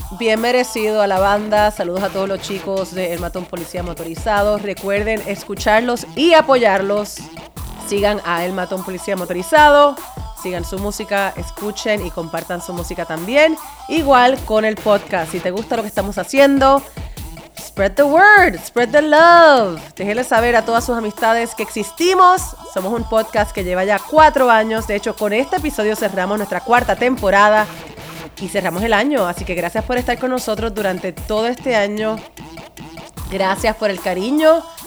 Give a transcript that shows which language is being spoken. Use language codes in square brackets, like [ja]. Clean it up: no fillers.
[es] Bien merecido a la banda, saludos a todos los chicos de El Matón Policía Motorizado. Recuerden escucharlos y apoyarlos. Sigan a El Matón Policía Motorizado, sigan su música, escuchen y compartan su música también. Igual con el podcast, si te gusta lo que estamos haciendo... [en] Spread the word, spread the love. [es] Déjenle saber a todas sus amistades que existimos. Somos un podcast que lleva ya 4 años. De hecho, con este episodio cerramos nuestra 4ª temporada y cerramos el año. Así que gracias por estar con nosotros durante todo este año. Gracias por el cariño.